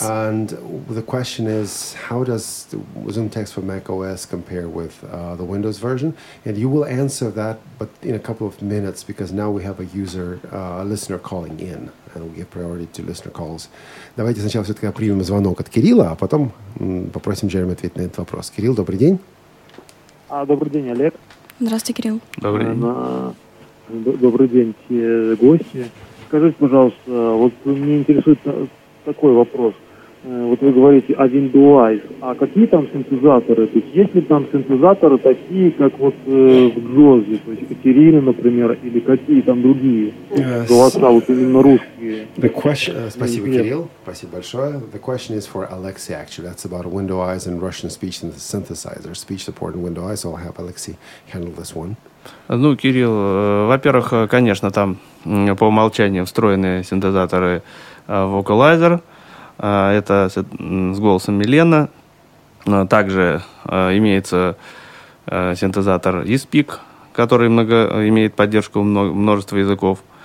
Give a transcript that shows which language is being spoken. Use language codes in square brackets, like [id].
[en] And the question is, how does Zoom Text for Mac OS compare with the Windows version? And you will answer that, but in a couple of minutes, because now we have a user, a listener calling in. And we give priority to listener calls. [ru] Давайте сначала все-таки примем звонок от Кирилла, а потом попросим Джереми ответить на этот вопрос. Кирилл, добрый день. Добрый день, Олег. Здравствуйте, Кирилл. Добрый день. Добрый день, все гости. Скажите, пожалуйста, вот мне интересует такой вопрос. Вот вы говорите о Windows, а какие там синтезаторы? То есть, есть ли там синтезаторы такие, как вот в Джозе, то есть Катерина, например, или какие там другие голоса, вот именно русские? [en] The question, [ru] спасибо, нет. Кирилл, спасибо большое. [en] The question is for Alexey, actually. That's about Windows and Russian speech and the synthesizer, speech support in Windows. So I'll have Alexey handle this one. [ru] Ну, Кирилл, во-первых, конечно, там по умолчанию встроенные синтезаторы Vocalizer. Это с голосом Милена. Также имеется синтезатор eSpeak, который имеет поддержку множества языков.